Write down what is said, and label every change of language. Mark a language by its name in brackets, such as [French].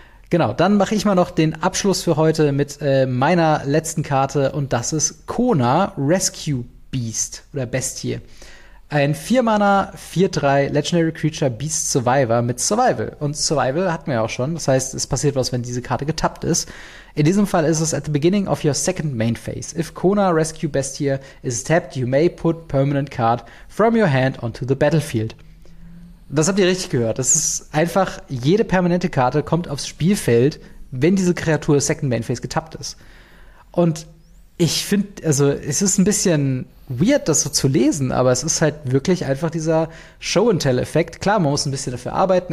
[German] Genau, dann mache ich mal noch den Abschluss für heute mit meiner letzten Karte. Und das ist Kona Rescue Beast oder Bestie. Ein 4-Mana, 4-3 Legendary Creature Beast Survivor mit Survival. Und Survival hatten wir ja auch schon. Das heißt, es passiert was, wenn diese Karte getappt ist. In diesem Fall ist es [English] at the beginning of your second main phase. If Kona Rescue Bestie is tapped, you may put permanent card from your hand onto the battlefield. [German] Das habt ihr richtig gehört. Das ist einfach, jede permanente Karte kommt aufs Spielfeld, wenn diese Kreatur Second Main Phase getappt ist. Und ich finde, also es ist ein bisschen weird, das so zu lesen, aber es ist halt wirklich einfach dieser Show-and-Tell-Effekt. Klar, man muss ein bisschen dafür arbeiten.